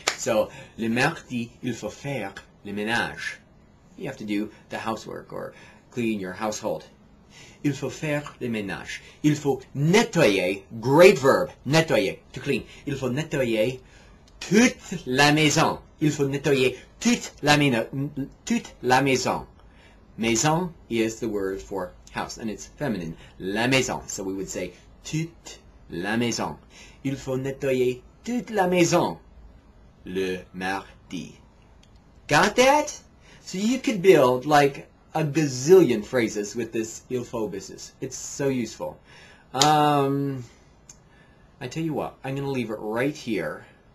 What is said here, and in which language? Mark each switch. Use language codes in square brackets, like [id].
[fr] So, le mardi, il faut faire le ménage. [en] You have to do the housework or clean your household. [fr] Il faut faire le ménage. Il faut nettoyer, [en] great verb, [fr] nettoyer, to clean. Il faut nettoyer toute la maison. Il faut nettoyer toute la maison. [en] Maison is the word for house, and it's feminine, la maison. So we would say [fr] toute la maison. Il faut nettoyer toute la maison le mardi. [en] Got that? So you could build, like, a gazillion phrases with this il faut business. It's so useful. I tell you what, I'm going to leave it right here.